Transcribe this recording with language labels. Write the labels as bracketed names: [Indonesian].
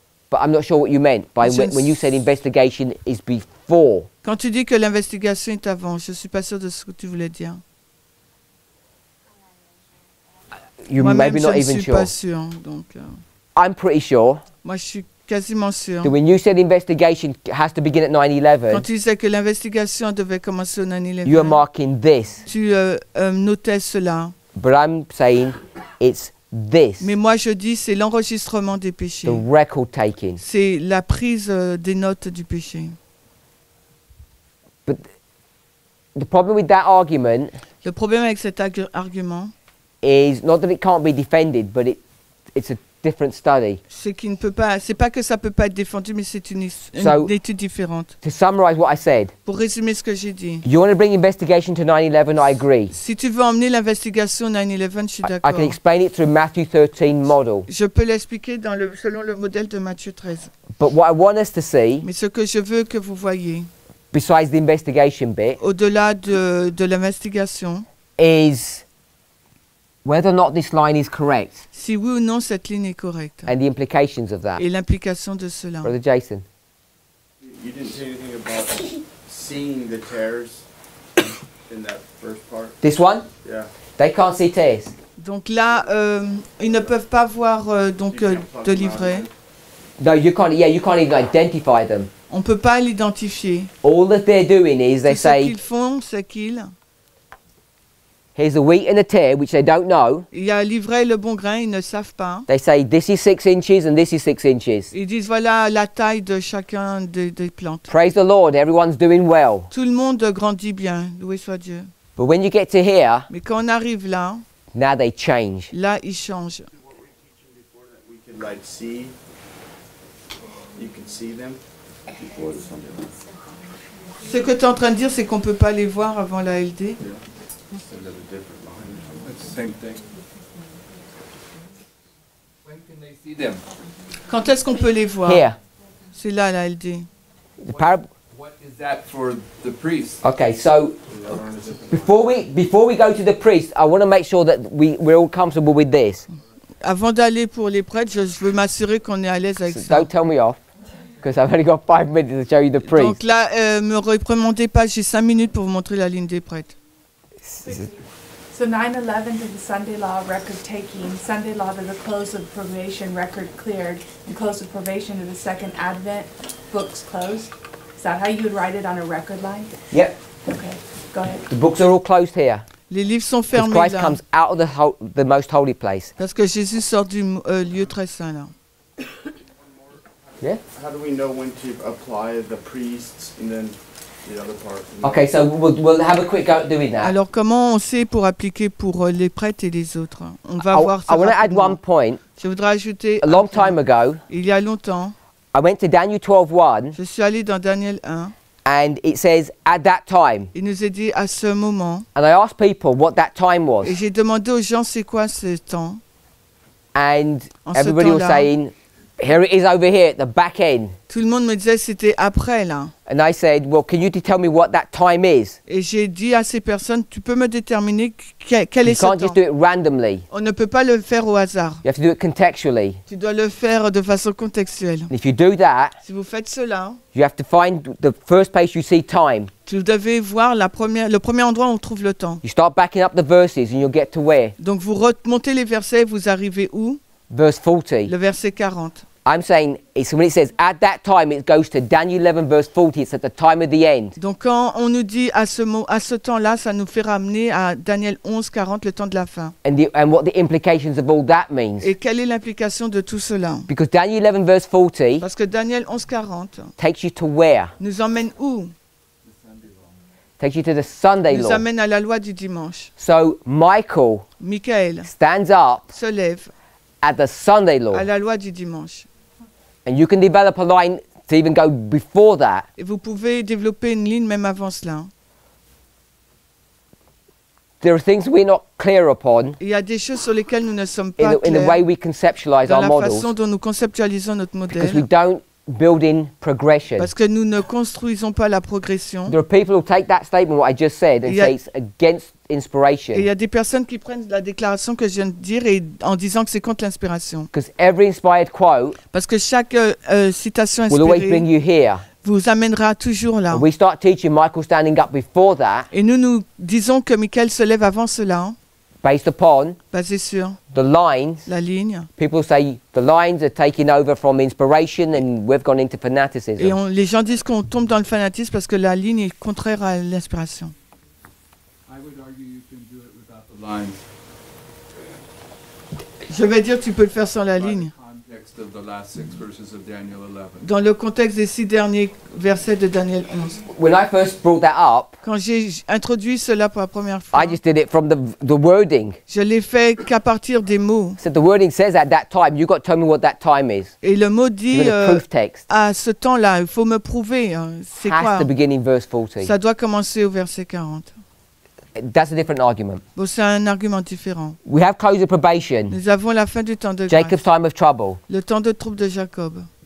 [English] But I'm not sure what you meant by when you said investigation is before. [French] Quand tu dis que l'investigation est avant, je suis pas sûr de ce que tu voulais dire. [English] You maybe not even sure. [French] Moi, je suis pas sûr. Donc. [English] I'm pretty sure. [French] Moi, je suis quasiment sûr. [English] That when you said investigation has to begin at 9/11. [French] Quand tu disais que l'investigation devait commencer au 9/11. [English] You are marking this. [French] Tu notais cela. [English] But I'm saying it's this. [French] Mais moi je dis c'est l'enregistrement des péchés. [English] The record taking. [French] C'est la prise des notes du péché. [English] But the problem with that argument. [French] Le problème avec cet argument. [English] Is not that it can't be defended, but it's a different study. [French] Ce qui ne peut pas, c'est pas que ça peut pas être défendu, mais c'est une étude différente. [English] To summarize what I said. [French] Pour résumer ce que j'ai dit. [English] You want to bring investigation to 9/11? I agree. [French] Si tu veux emmener l'investigation 9/11, je suis d'accord. [English] I can explain it through Matthew 13 model. [French] Je peux l'expliquer dans le selon le modèle de Matthieu 13. [English] But what I want us to see. [French] Mais ce que je veux que vous voyez. [English] Besides the investigation bit. [French] Au-delà de l'investigation. [English] Is whether or not this line is correct. [French] Si oui ou non cette ligne est correcte. [English] And the implications of that. [French] Et l'implication de cela. [English] Brother Jason. You didn't say anything about seeing the tears in that first part. This one? Yeah. They can't see tears. [French] Donc là, ils ne peuvent pas voir donc de livret. [English] No, you can't. Yeah, you can't even identify them. [French] On peut pas l'identifier. [English] All that they're doing is they say. [French] Ce qu'ils font, c'est qu'ils. [English] Here's a wheat and a tare, which they don't know. [French] Il y a livré le bon grain, ils ne savent pas. [English] They say this is 6 inches and this is 6 inches. [French] Ils disent voilà la taille de chacun des plantes. [English] Praise the Lord, everyone's doing well. [French] Tout le monde grandit bien, loué soit Dieu. [English] But when you get to here, [French] mais quand on arrive là, [English] now they change. [French] Là, ils changent. Ce que tu es en train de dire, c'est qu'on peut pas les voir avant la LD. [English] Yeah. [French] Quand est-ce qu'on peut les voir? [English] Here. [French] C'est là la LD. [English] What is that for the priest? Okay, so before we go to the priest, I want to make sure that we're all comfortable with this. [French] Avant d'aller pour les prêtres, je veux m'assurer qu'on est à l'aise avec ça. [English] Don't tell me off. Because I've only got 5 minutes to show you the priest. [French] Donc là, me réprimandez pas, j'ai 5 minutes pour vous montrer la ligne des prêtres. [English] So 9/11 did the Sunday law record taking. Sunday law did the close of probation record cleared. The close of probation of the second advent books closed. Is that how you would write it on a record line? Yep. Okay. Go ahead. The books are all closed here. [French] Les livres sont fermés. [English] Christ [French] là. [English] Comes out of the most holy place. [French] Parce que Jésus sort du lieu très saint là. [English] Yeah. How do we know when to apply the priests and then? The okay, so we'll have a quick go at doing that. [French] Alors comment on sait pour appliquer pour les prêtres et les autres? On va voir ça. [English] I want to add one point. [French] Je voudrais ajouter. [English] A long time ago. [French] Il y a longtemps. [English] I went to Daniel 12:1. [French] Je suis allé dans Daniel 1. [English] And it says at that time. [French] Il nous est dit à ce moment. [English] And I asked people what that time was. [French] Et j'ai demandé aux gens c'est quoi ce temps. [English] And everybody was saying. Here it is over here at the back end. [French] Tout le monde me disait c'était après là. [English] And I said, well, can you tell me what that time is? [French] Et j'ai dit à ces personnes, tu peux me déterminer quel [English] you [French] est ce [English] can't Just do it randomly. [French] On ne peut pas le faire au hasard. [English] You have to do it contextually. [French] Tu dois le faire de façon contextuelle. [English] And if you do that, [French] si vous faites cela, [English] you have to find the first place you see time. [French] Tu devais voir le premier endroit où on trouve le temps. [English] You start backing up the verses and you'll get to where. [French] Donc vous remontez les versets et vous arrivez où? [English] Verse 40. [French] Le verset 40. [English] I'm saying, it's when it says, at that time, it goes to Daniel 11, verse 40, it's at the time of the end. [French] Donc quand on nous dit à ce temps-là, ça nous fait ramener à Daniel 11, 40, le temps de la fin. [English] And what the implications of all that means. [French] Et quelle est l'implication de tout cela? [English] Because Daniel 11, verse 40, [French] parce que Daniel 11, 40, [English] takes you to where? [French] Nous emmène où? [English] Takes you to the Sunday [French] nous [English] law. [French] Nous emmène à la loi du dimanche. [English] So, Michael stands up, [French] se lève, [English] at the Sunday law. [French] À la loi du dimanche. [English] And you can develop a line to even go before that. [French] Et vous pouvez développer une ligne même avant cela. [English] There are things we're not clear upon. [French] Il y a des choses sur lesquelles nous ne sommes pas clairs. [English] In the way we conceptualize our models. [French] Dans la façon dont nous conceptualisons notre modèle. [English] Because we don't build in progression. [French] Parce que nous ne construisons pas la progression. [English] There are people who take that statement, what I just said, and say it's against inspiration. [French] Il y a des personnes qui prennent la déclaration que je viens de dire et en disant que c'est contre l'inspiration. [English] Because every inspired quote. [French] Parce que chaque citation inspirée. [English] Will always bring you here. [French] Vous amènera toujours là. [English] And we start teaching Michael standing up before that. [French] Et nous disons que Michael se lève avant cela. [English] Based upon. [French] Basé sur. [English] The lines. [French] La ligne. [English] People say the lines are taking over from inspiration and we've gone into fanaticism. [French] Et les gens disent qu'on tombe dans le fanatisme parce que la ligne est contraire à l'inspiration. Je vais dire, tu peux le faire sans la ligne. [English] context of the last six verses of Daniel 11. [French] Dans le contexte des six derniers versets de Daniel 11. [English] When I first brought that up, [French] quand j'ai introduit cela pour la première fois, [English] I just did it from the wording. [French] Je l'ai fait qu'à partir des mots. [English] So the wording says at that time, you've got to tell me what that time is. [French] Et le mot dit [English] proof text. [French] À ce temps-là, il faut me prouver. C'est [English] Has [French] quoi? [English] To begin in verse 40. [French] Ça doit commencer au verset 40. [English] That's a different argument. [French] Bon, c'est un argument différent. [English] We have closed the probation. [French] Nous avons la fin du temps de [English] Jacob's [French] grâce. [English] Time of trouble. [French] Le temps de trouble de Jacob.